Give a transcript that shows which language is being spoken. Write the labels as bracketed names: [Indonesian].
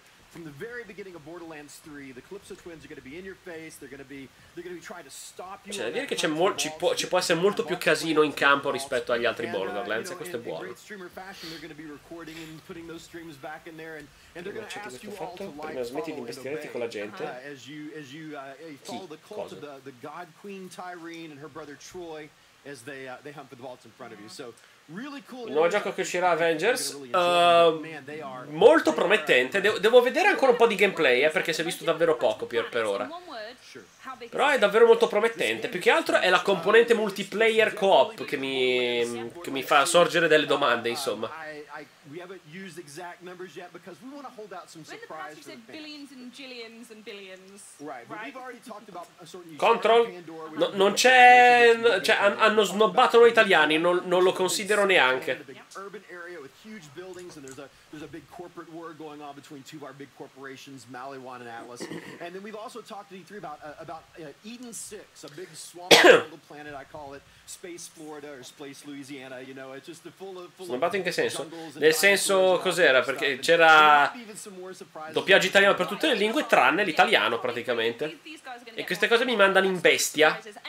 [English] From the very beginning of Borderlands 3, the Calypso twins are going to be in your face. They're going to be trying to stop you. [Italian] C'è da dire che ci può essere molto più casino in campo rispetto agli altri Borderlands, e questo è buono. [English] They're going to be recording and putting those streams back in there, and they're going to ask you all to like... [Italian] Smetti di investirti con la gente. Chi? Cosa? [English] The God Queen Tyrene and her brother Troy as they hunt for the vaults in front of you. So really cool. [Italian] Il nuovo gioco che uscirà, Avengers, molto promettente. Devo vedere ancora un po' di gameplay, perché si è visto davvero poco per ora. Però è davvero molto promettente. Più che altro è la componente multiplayer co-op che mi fa sorgere delle domande, insomma. [English] We haven't used exact numbers yet because we want to hold out some surprises. We said billions and jillions and billions. Right, but we've already talked about a certain... Control. [Italian] Non c'è, cioè hanno snobbato noi italiani, non lo considero neanche. [English] Urban area with huge buildings, and there's a big corporate war going on between two of our big corporations, Maliwan and Atlas. And then we've also talked to E3 about Eden 6, a big swamp jungle planet, I call it Space Florida or Space Louisiana, you know, it's just full of [Italian] snobbato in che senso? Nel senso, cos'era? Perché c'era doppiaggio italiano per tutte le lingue tranne l'italiano, praticamente. E queste cose mi mandano in bestia.